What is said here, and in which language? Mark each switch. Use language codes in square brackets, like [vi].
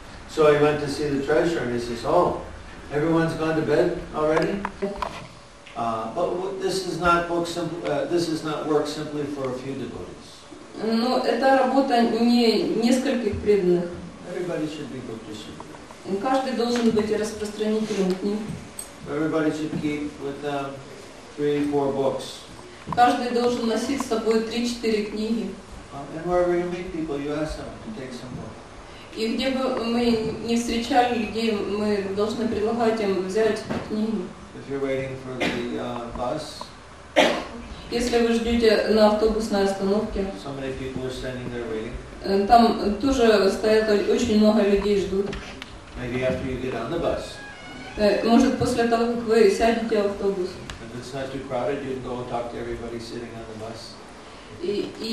[en] So he went to see the treasurer and he says, "Oh, everyone's gone to bed already. But this is not work simply for a few devotees." [ru] Но это работа не нескольких преданных. [en] Everybody should be book distributor. [ru] Каждый должен быть распространителем книг. [en] Everybody should keep with them 3-4 books. [ru] Каждый должен носить с собой 3-4 книги. [en] And wherever you meet people, you ask them to take some more. [ru] И где бы мы не встречали людей, мы должны предлагать им взять книги. [en] If you're waiting for the bus. [ru] Если вы ждете на автобусной остановке. [en] So many people are standing there waiting. [ru] Там тоже стоят очень много людей ждут. [en] Maybe after you get on the bus. [ru] Может после того, как вы сядете в автобус. [en] If it's not too crowded, you can go and talk to everybody sitting on the bus.